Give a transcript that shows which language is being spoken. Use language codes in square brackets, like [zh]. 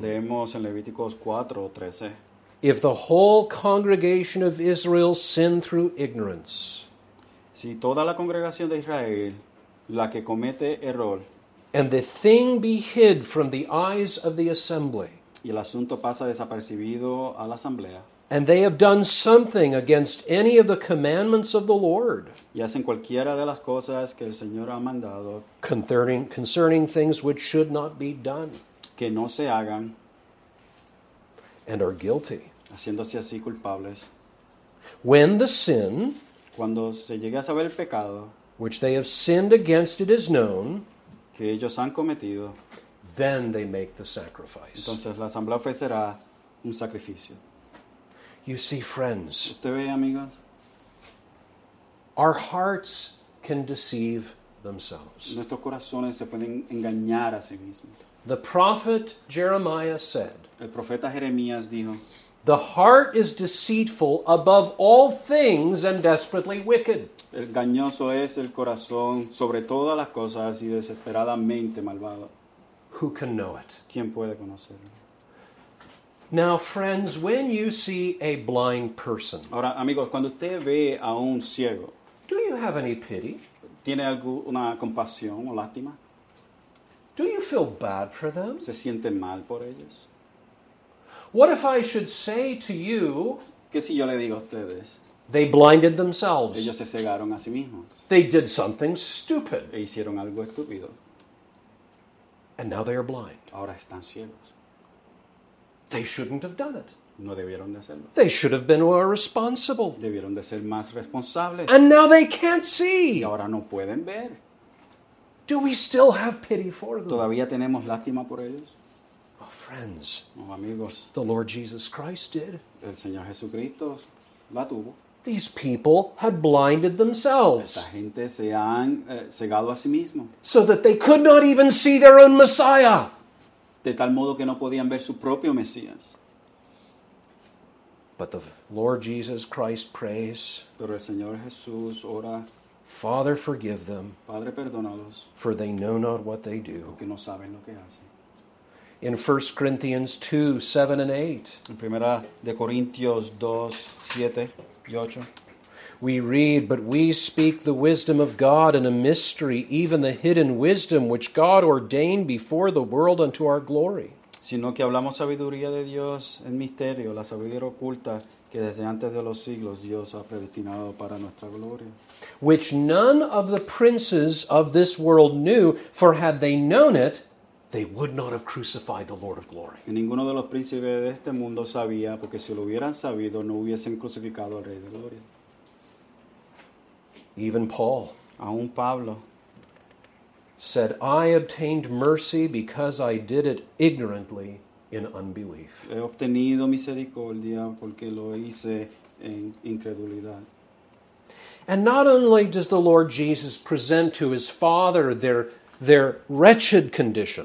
[es] leemos en Levíticos 4, 13, [en] if the whole congregation of Israel sin through ignorance, [es] si toda la congregación de Israel, la que comete error, [en] and the thing be hid from the eyes of the assembly, [es] y el asunto pasa desapercibido a la asamblea, [en] and they have done something against any of the commandments of the Lord. [es] Y hacen cualquiera de las cosas que el Señor ha mandado. [en] Concerning things which should not be done. [es] Que no se hagan. [en] And are guilty. [es] Haciéndose así culpables. [en] When the sin. [es] Cuando se llegue a saber el pecado. [en] Which they have sinned against it is known. [es] Que ellos han cometido. [en] Then they make the sacrifice. [es] Entonces la asamblea ofrecerá un sacrificio. [en] You see, friends, [es] ¿usted ve, amigos? [en] Our hearts can deceive themselves. [es] Nuestros corazones se pueden engañar a sí mismos. [en] The prophet Jeremiah said, [es] el profeta Jeremías dijo, [en] the heart is deceitful above all things and desperately wicked. [es] Engañoso es el corazón sobre todas las cosas y desesperadamente malvado. [en] Who can know it? [es] ¿Quién puede conocerlo? [en] Now, friends, when you see a blind person, [es] ahora, amigos, cuando usted ve a un ciego, [en] Do you have any pity? [es] ¿Tiene alguna compasión o lástima? [en] Do you feel bad for them? [es] ¿Se siente mal por ellos? [en] What if I should say to you, [es] ¿qué si yo le digo a ustedes? [en] They blinded themselves. [es] Ellos se cegaron a sí mismos. [en] They did something stupid. [es] E hicieron algo estúpido. [en] And now they are blind. [es] Ahora están ciegos. [en] They shouldn't have done it. [es] No debieron de hacerlo. [en] They should have been more responsible. [es] Debieron de ser más responsables. [en] And now they can't see. [es] Y ahora no pueden ver. [en] Do we still have pity for them? [es] ¿Todavía tenemos lástima por ellos? [en] Oh, friends. [es] Oh, amigos. [en] The Lord Jesus Christ did. [es] El Señor Jesucristo la tuvo. [en] These people had blinded themselves. [es] Esta gente se han cegado a sí mismo. [en] So that they could not even see their own Messiah. [es] De tal modo que no podían ver su propio Mesías. [en] But the Lord Jesus Christ prays. [es] Pero el Señor Jesús ora. [en] Father, forgive them. [es] Padre, perdónalos. [en] For they know not what they do. [es] Porque no saben lo que hacen. [en] In 1 Corinthians 2, 7 and 8. [es] En Primera de Corintios 2, 7 y 8. [en] We read, but we speak the wisdom of God in a mystery, even the hidden wisdom which God ordained before the world unto our glory. [es] Sino que hablamos sabiduría de Dios en misterio, la sabiduría oculta que desde antes de los siglos Dios ha predestinado para nuestra gloria. [en] Which none of the princes of this world knew, for had they known it, they would not have crucified the Lord of glory. [es] Y ninguno de los príncipes de este mundo sabía, porque si lo hubieran sabido, no hubiesen crucificado al Rey de gloria. [en] Even Paul, [es] aún Pablo, [en] said, I obtained mercy because I did it ignorantly in unbelief. [es] He obtenido misericordia porque lo hice en incredulidad. [en] And not only does the Lord Jesus present to his Father their wretched condition.